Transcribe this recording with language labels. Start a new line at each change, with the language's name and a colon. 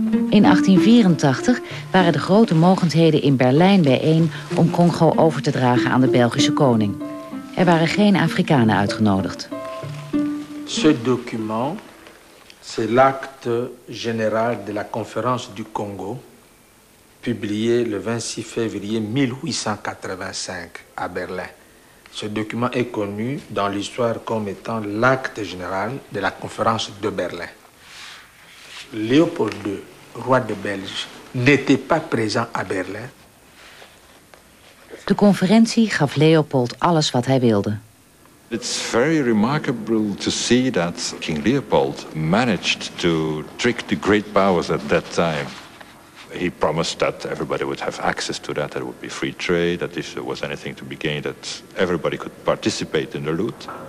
Dutch: In 1884 waren de grote mogendheden in Berlijn bijeen om Congo over te dragen aan de Belgische koning. Er waren geen Afrikanen uitgenodigd.
French: Ce document, c'est l'acte général de la conférence du Congo, publié le 26 février 1885 à Berlin. Ce document est connu dans l'histoire comme étant l'acte général de la conférence de Berlin. Léopold II, roi de Belgique, n'était pas présent à Berlin.
Dutch: De conferentie gaf Leopold alles wat hij wilde.
English: It's very remarkable to see that King Leopold managed to trick the great powers at that time. He promised that everybody would have access to that, that it would be free trade, that if there was anything to be gained, that everybody could participate in the loot.